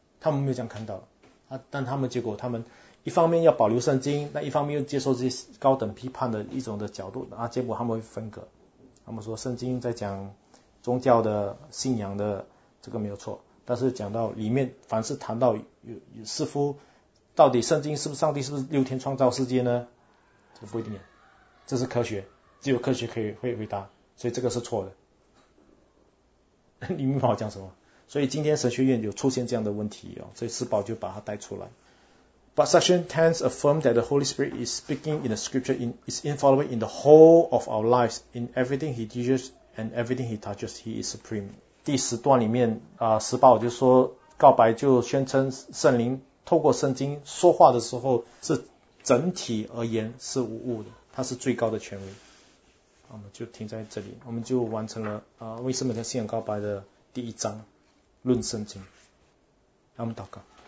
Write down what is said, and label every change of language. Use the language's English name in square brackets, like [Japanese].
[Chinese] 他们没有这样看到，但他们结果他们。一方面要保留圣经，那一方面又接受这些高等批判的一种的角度结果他们会分隔，他们说圣经在讲宗教的信仰的这个没有错，但是讲到里面凡是谈到似乎到底圣经是不是上帝，是不是六天创造世界呢，这不一定，这是科学，只有科学可以会回答，所以这个是错的。你明白我讲什么？所以今天神学院有出现这样的问题哦，所以司宝就把它带出来。 [English] But section 10 affirms that the Holy Spirit is speaking in the scripture, is infallible in the whole of our lives, in everything he teaches and everything he touches, he is supreme. [Chinese] 第十段里面啊，司宝就说告白就宣称圣灵透过圣经说话的时候是整体而言是无误的，它是最高的权威。我们就停在这里，我们就完成了为圣灵的信仰告白的第一章论圣经。让我们祷告。